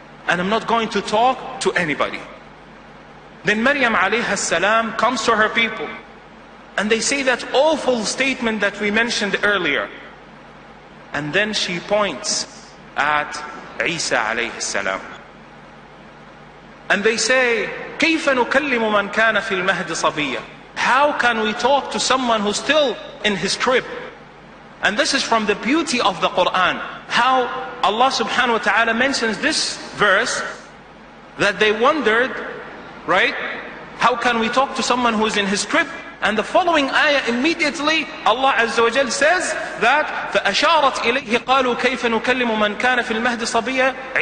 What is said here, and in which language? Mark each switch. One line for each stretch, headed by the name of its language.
English: And I'm not going to talk to anybody. Then Maryam alayha salam comes to her people. And they say that awful statement that we mentioned earlier. And then she points at Isa alayhi salam. And they say,
Arabic: كَيْفَ نُكَلِّمُ مَنْ كَانَ فِي الْمَهْدِ صَبِيًّا.
English: How can we talk to someone who's still in his crib? And this is from the beauty of the Quran. How Allah subhanahu wa ta'ala mentions this verse, that they wondered, right? How can we talk to someone who's in his crib? And the following ayah immediately, Allah Azza wa Jal says that,
Arabic: فَأَشَارَتْ إِلَيْهِ قَالُوا كَيْفَ نُكَلِّمُ مَنْ كَانَ فِي الْمَهْدِ صَبِيًّا.